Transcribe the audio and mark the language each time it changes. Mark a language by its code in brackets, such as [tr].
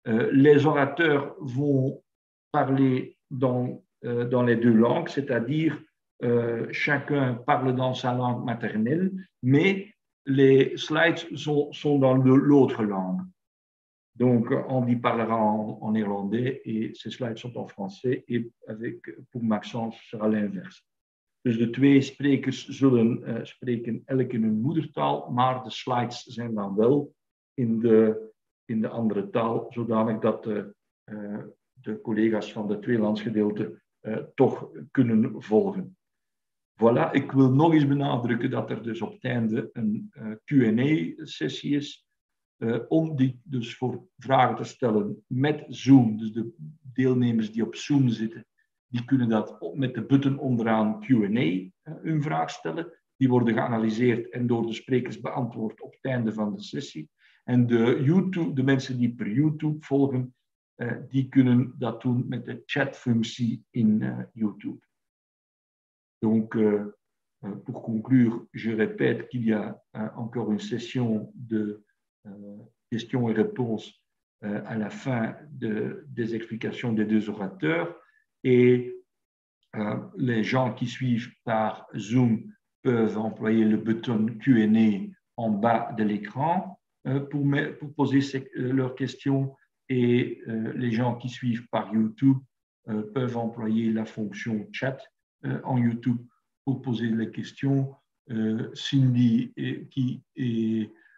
[fr] Les orateurs vont parler dans les deux langues, c'est-à-dire chacun parle dans sa langue maternelle, mais les slides sont dans l'autre langue. Donc, Andy parlera en néerlandais et ses slides sont en français. Et avec, pour Maxence, sera l'inverse. [nl] Dus de twee sprekers zullen spreken elk in hun moedertaal, maar de slides zijn dan wel in de andere taal, zodanig dat de collega's van de twee landsgedeelten toch kunnen volgen. Voilà, ik wil nog eens benadrukken dat er dus op het einde een Q&A-sessie is. Om die dus voor vragen te stellen met Zoom. Dus de deelnemers die op Zoom zitten, die kunnen dat met de button onderaan Q&A hun vraag stellen. Die worden geanalyseerd en door de sprekers beantwoord op het einde van de sessie. En de mensen die per YouTube volgen, die kunnen dat doen met de chatfunctie in YouTube. [fr] Donc, pour conclure, je répète qu'il y a encore une session de questions et réponses à la fin des explications des deux orateurs et les gens qui suivent par Zoom peuvent employer le bouton Q&A en bas de l'écran pour poser leurs questions et les gens qui suivent par YouTube peuvent employer la fonction chat en YouTube pour poser les questions. Cindy qui est